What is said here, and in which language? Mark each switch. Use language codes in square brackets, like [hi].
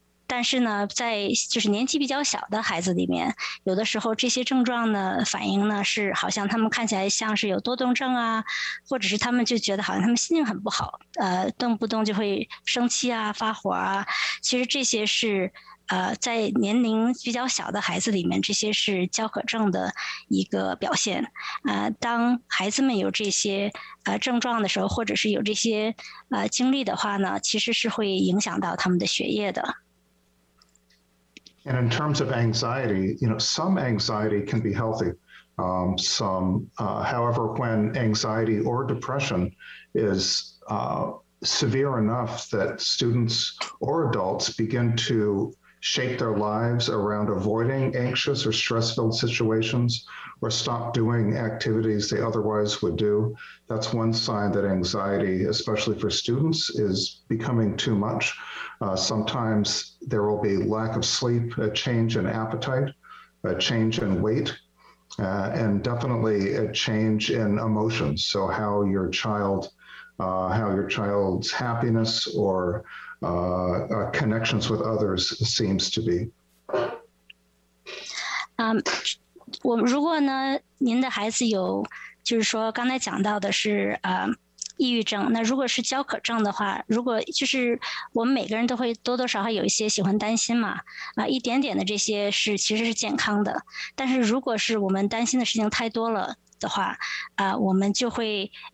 [zh] 但是呢在就是年纪比较小的孩子里面，有的时候这些症状的反应呢是好像他们看起来像是有多动症啊，或者是他们就觉得好像他们心情很不好动不动就会生气啊发火啊，其实这些是在年龄比较小的孩子里面，这些是焦渴症的一个表现。当孩子们有这些症状的时候，或者是有这些经历的话呢，其实是会影响到他们的学业的。 [en] And in terms of anxiety, you know, some anxiety can be healthy. However, when anxiety or depression is severe enough that students or adults begin to shape their lives around avoiding anxious or stress-filled situations or stop doing activities they otherwise would do, that's one sign that anxiety, especially for students, is becoming too much. Sometimes there will be lack of sleep, a change in appetite, a change in weight,and definitely a change in emotions. So how your child's happiness or connections with others seems to be. [zh] 我们如果呢，您的孩子有，就是说刚才讲到的是抑郁症，那如果是焦渴症的话，如果就是我们每个人都会多多少少有一些喜欢担心嘛，一点点的这些是其实是健康的，但是如果是我们担心的事情太多了的话，我们就会